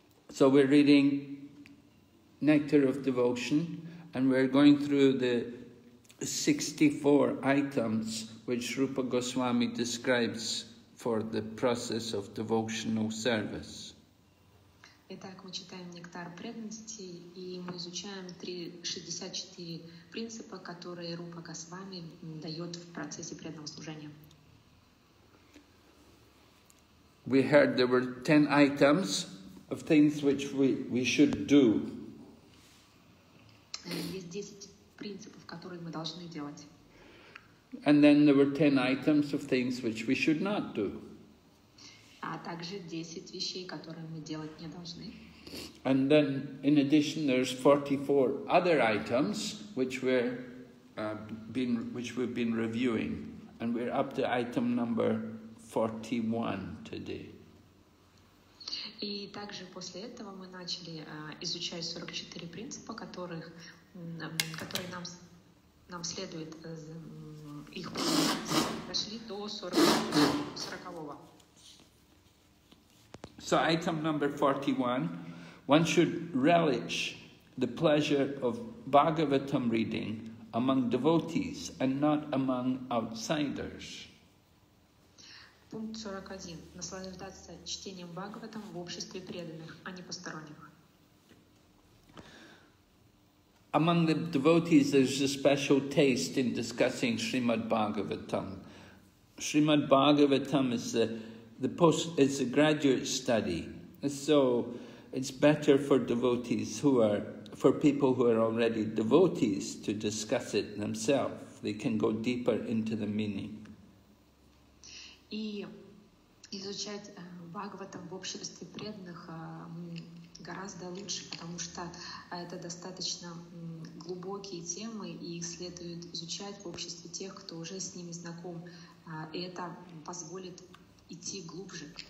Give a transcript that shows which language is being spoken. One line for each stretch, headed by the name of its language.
English: So we're reading Nectar of Devotion, and we're going through the 64 items which Rupa Goswami describes for the process of devotional service.
Russian: Итак, мы читаем «Нектар преданности», и мы изучаем 64 принципа, которые Рупа Госвами дает в процессе преданного служения.
English: We heard there were 10 items of things which we should do.
Russian: Есть 10 принципов, которые мы должны делать.
English: And then there were 10 items of things which we should not do.
Russian: А также 10 вещей, которые мы делать не должны.
English: And then, in addition, there's 44 other items which we're we've been reviewing, and we're up to item number 41 today.
Russian: И также после этого мы начали изучать 44 принципа, которых которые нам следует их дошли до 40-го.
English: So item number 41, one should relish the pleasure of Bhagavatam reading among devotees and not among outsiders.
Russian: Пункт 41. Наслаждаться чтением Бхагаватам в обществе преданных, а не посторонних.
English: Among the devotees, there's a special taste in discussing Srimad Bhagavatam. Srimad Bhagavatam is it's a graduate study, so it's better for devotees people who are already devotees to discuss it themselves. They can go deeper into the meaning.
Russian: И изучать Бхагаватам в обществе преданных гораздо лучше, потому что это достаточно глубокие темы, и их следует изучать в обществе тех, кто уже с ними знаком, и это позволит идти глубже.